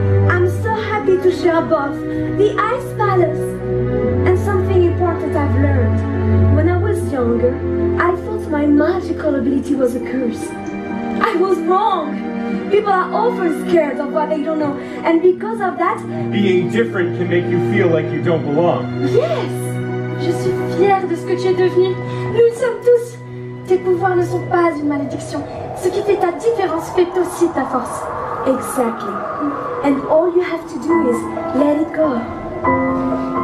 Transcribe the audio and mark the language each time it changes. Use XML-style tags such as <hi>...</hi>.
<en>I'm so happy to share both the Ice Palace and something important I've learned. When I was younger, I thought my magical ability was a curse. I was wrong. People are often scared of what they don't know. And because of that, being different can make you feel like you don't belong. Yes!</en> <fr>Je suis fière de ce que tu es devenue. Nous sommes tous. Tes pouvoirs ne sont pas une malédiction. Ce qui fait ta différence fait aussi ta force.</fr> <en>Exactly. And all you have to do is let it go.</en>